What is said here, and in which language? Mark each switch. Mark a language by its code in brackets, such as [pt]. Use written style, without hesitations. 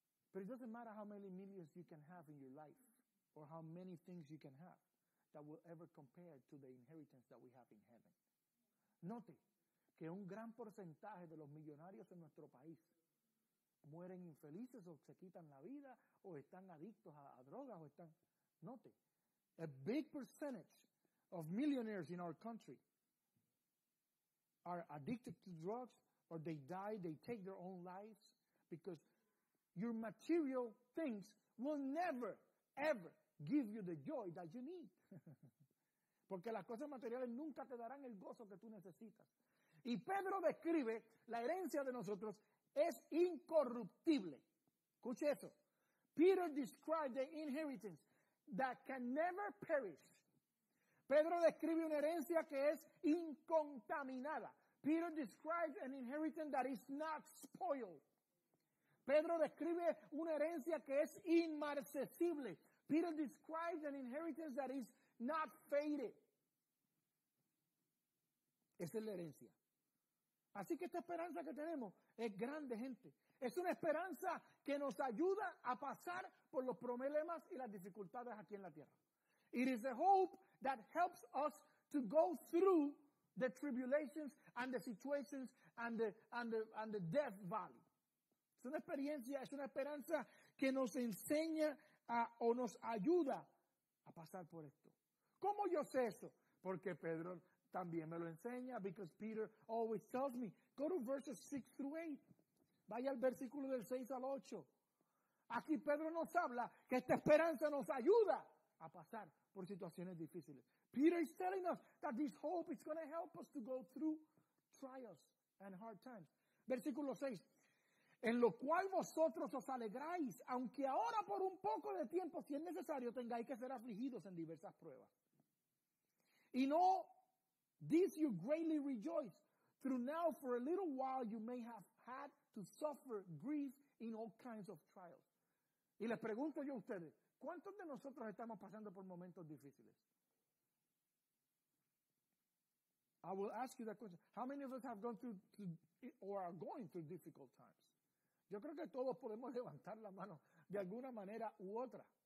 [en] Pero it doesn't matter how many millions you can have in your life. Or how many things you can have that will ever compare to the inheritance that we have in heaven. [es] Note que un gran porcentaje de los millonarios en nuestro país mueren infelices o se quitan la vida o están adictos a drogas o están... [en] Note, a big percentage of millionaires in our country are addicted to drugs or they die, they take their own lives because your material things will never, ever give you the joy that you need. [es] Porque las cosas materiales nunca te darán el gozo que tú necesitas. Y Pedro describe la herencia de nosotros es incorruptible. Escuche eso. [en] Peter describes the inheritance that can never perish. [es] Pedro describe una herencia que es incontaminada. [en] Peter describes an inheritance that is not spoiled. [es] Pedro describe una herencia que es inmarcesible. [en] Peter describes an inheritance that is not faded. [es] Esa es la herencia. Así que esta esperanza que tenemos es grande, gente. Es una esperanza que nos ayuda a pasar por los problemas y las dificultades aquí en la tierra. [en] It is a hope that helps us to go through the tribulations and the situations and the death valley. [es] Es una experiencia, es una esperanza que nos enseña a, o nos ayuda a pasar por esto. ¿Cómo yo sé eso? Porque Pedro también me lo enseña, [en] because Peter always tells me. Go to verses 6 through 8. [es] Vaya al versículo del 6 al 8. Aquí Pedro nos habla que esta esperanza nos ayuda a pasar por situaciones difíciles. [en] Peter is telling us that this hope is going to help us to go through trials and hard times. [es] Versículo 6. En lo cual vosotros os alegráis, aunque ahora por un poco de tiempo, si es necesario, tengáis que ser afligidos en diversas pruebas. [en] Y no, this you greatly rejoice, through now for a little while you may have had to suffer grief in all kinds of trials. [es] Y les pregunto yo a ustedes, ¿cuántos de nosotros estamos pasando por momentos difíciles? [en] I will ask you that question. How many of us have gone through or are going through difficult times? [es] Yo creo que todos podemos levantar la mano de alguna manera u otra.